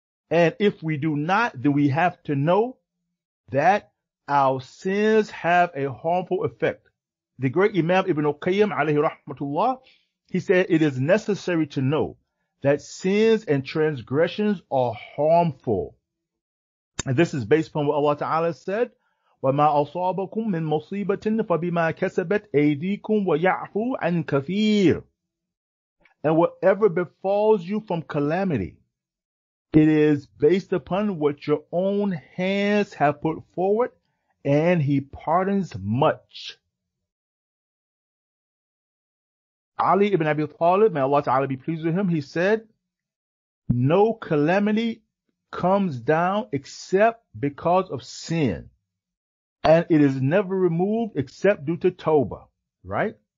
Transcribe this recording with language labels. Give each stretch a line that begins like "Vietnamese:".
English: And if we do not, then we have to know that our sins have a harmful effect. The great Imam Ibn Qayyim, alayhi rahmatullah, he said, it is necessary to know that sins and transgressions are harmful. And this is based upon what Allah Ta'ala said,
Arabic: وَمَا أَصَابَكُم مِّن مُصِيبَةٍ فَبِمَا كَسَبَتْ أَيْدِيكُمْ وَيَعْفُو عَنْ كَثِيرٍ.
English: And whatever befalls you from calamity, it is based upon what your own hands have put forward, and He pardons much. Ali ibn Abi Talib, may Allah Ta'ala be pleased with him, he said, no calamity comes down except because of sin, and it is never removed except due to tawbah, right?